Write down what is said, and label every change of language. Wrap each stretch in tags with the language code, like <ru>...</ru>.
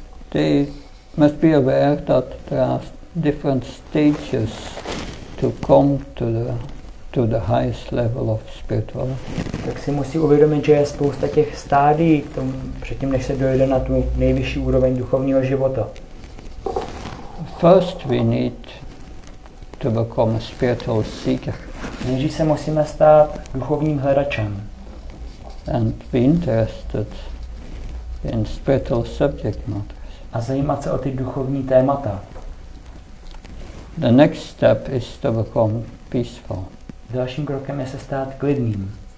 <en>They must be aware that there are different stages to come to the highest level of spiritual.</en> <cs>Tak si musí uvědomit, že je spousta těch stádií k tomu, předtím, než se dojde na tu nejvyšší úroveň duchovního života.</cs> <en>First we need to become a spiritual seeker.</en> <cs>Nejdřív se musíme stát duchovním hledačem.</cs> <en>And be interested in spiritual subject matters.</en> <cs>A zajímat se o ty duchovní témata.</cs> <en>The next step is to become peaceful.</en> <cs>Dalším krokem je se stát klidným.</cs>